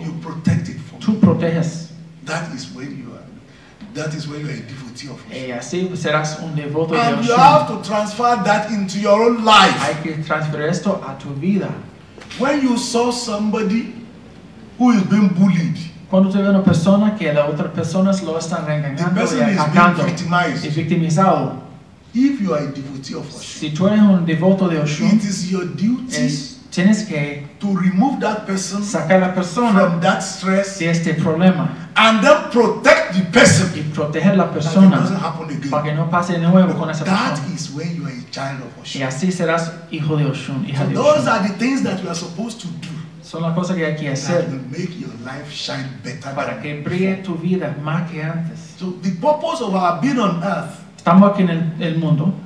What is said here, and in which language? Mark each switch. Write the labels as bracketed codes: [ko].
[en] you protect it for [es] tú [en] me. [es] Proteges. [en] That is when you are. That is when you are a devotee of Oshun. [es] Y así serás un devoto [en] and [es] de Oshun. [en] You have to transfer that into your own life. [es] Hay que transferir esto a tu vida. [en] When you saw somebody who is being bullied, [es] cuando tú ves una persona que la otra persona lo están engañando, [en] the person [es] y atacando, [en] is being victimized. If you are a devotee of Oshun, [es] si tú eres un devoto de Oshun, [en] it is your duty [es] tienes que [en] to remove that person, [es] sacar la persona [en] from that stress, [es] de este problema, [en] and then protect the person, [es] y proteger la persona, [en] doesn't happen again, [es] para que no pase de nuevo con esa [en] that [es] persona. [en] Is when you are a child of Oshun. [es] Y así serás hijo de Oshun, hija [en] so Those are the things that you are supposed to do. [es] Son las cosas que hay que hacer [en] that will make your life shine better [es] para [en] than [es] que brille tu vida más que antes. [en] So the purpose of our being on earth, [es] estamos aquí en el mundo,